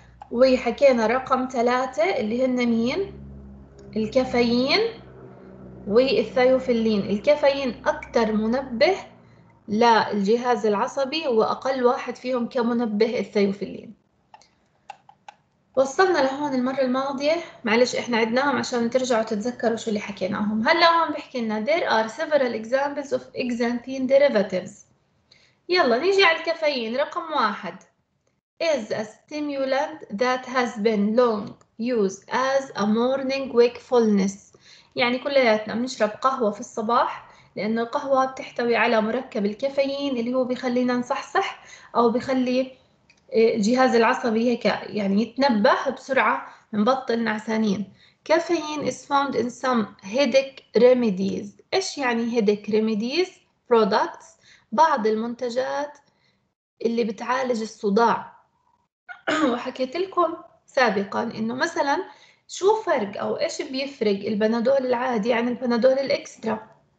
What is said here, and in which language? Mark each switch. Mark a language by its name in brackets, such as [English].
[Arabic] وحكينا رقم ثلاثة اللي هن مين؟ الكافيين والثايوفيلين. الكافيين أكثر منبه للجهاز العصبي، وأقل واحد فيهم كمنبه الثايوفيلين. وصلنا لهون المرة الماضية، معلش احنا عدناهم عشان ترجعوا تتذكروا شو اللي حكيناهم. هلا هون بحكي لنا [English] there are several examples of exanthine derivatives. [Arabic] يلا نيجي على الكافيين. رقم واحد [English] is a stimulant that has been long used as a morning wakefulness. [Arabic] يعني كلياتنا بنشرب قهوة في الصباح لأن القهوة بتحتوي على مركب الكافيين اللي هو بيخلينا نصحصح أو بيخلي الجهاز العصبي هيك يعني يتنبه بسرعة نبطل نعسانين. [English] Caffeine is found in some headache remedies. [Arabic] إيش يعني [English] headache remedies products؟ [Arabic] بعض المنتجات اللي بتعالج الصداع. وحكيت لكم سابقا إنه مثلا شو فرق أو إيش بيفرق البنادول العادي عن البنادول الإكسترا.